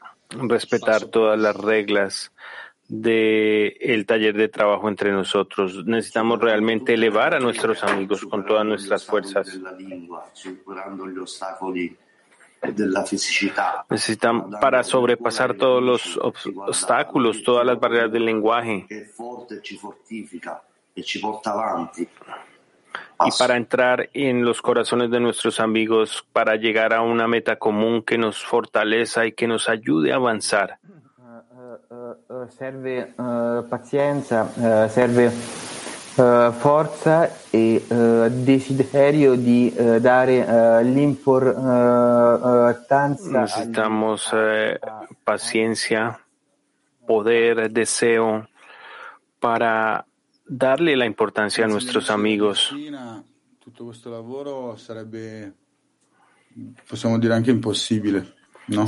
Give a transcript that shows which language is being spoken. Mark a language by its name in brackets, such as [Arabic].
[Spanish] Respetar todas las reglas del taller de trabajo entre nosotros. Necesitamos realmente elevar a nuestros amigos con todas nuestras fuerzas. [Italian] Superando gli ostacoli della fisicità. [Spanish] Necesitan para sobrepasar todos los obstáculos, todas las barreras del lenguaje. [Italian] Che forte ci fortifica e ci porta avanti. [Spanish] Y para entrar en los corazones de nuestros amigos, para llegar a una meta común que nos fortaleza y que nos ayude a avanzar. [Italian] Serve pazienza, serve forza e desiderio di dare l'importanza. [Spanish] Necesitamos paciencia, poder, deseo para darle la importancia a nuestros amigos. [Italian] Tutto questo lavoro sarebbe, possiamo dire, anche impossibile, ¿no?